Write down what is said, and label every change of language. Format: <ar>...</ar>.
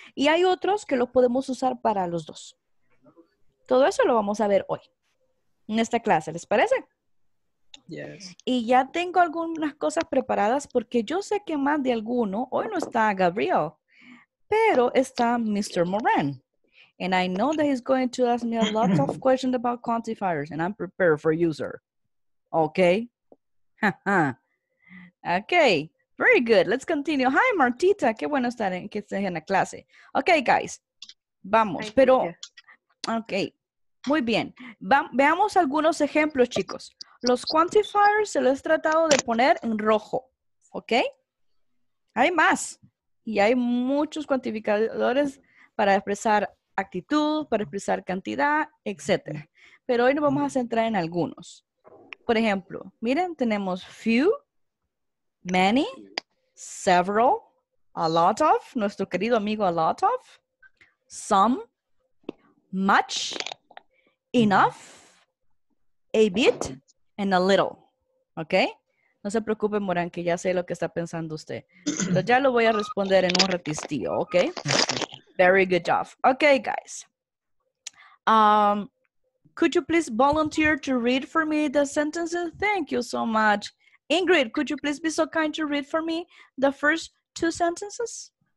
<es>Y hay otros que los podemos usar para los dos. Todo eso lo vamos a ver hoy en esta clase. ¿Les parece?</es> <en>Yes.</en> <es>Y ya tengo algunas cosas preparadas porque yo sé que más de alguno, hoy no está Gabriel, pero está Mr. Moran.</es> <en>And I know that he's going to ask me a lot of questions about quantifiers, and I'm prepared for you, sir. Okay? Okay. Very good. Let's continue. Hi, Martita.</en> <es>Qué bueno estar en, que estés en la clase.</es> <en>Okay, guys.</en> <es>Vamos.</es> <en>Hi,</en> <es>pero,</es> <en>teacher. Okay.</en> <es>Muy bien. Veamos algunos ejemplos, chicos. Los quantifiers se los he tratado de poner en rojo. Okay. Hay más. Y hay muchos cuantificadores para expresar actitud, para expresar cantidad, etc. Pero hoy nos vamos a centrar en algunos. Por ejemplo, miren, tenemos few, many, several, a lot of, nuestro querido amigo a lot of, some, much, enough, a bit, and a little. ¿Ok? No se preocupe, Morán, que ya sé lo que está pensando usted. Pero ya lo voy a responder en un ratistillo, ¿ok?</es> <en>Very good job. Ok, guys. Could you please volunteer to read for me the sentences? Thank you so much. Ingrid, could you please be so kind to read for me the first two sentences?</en>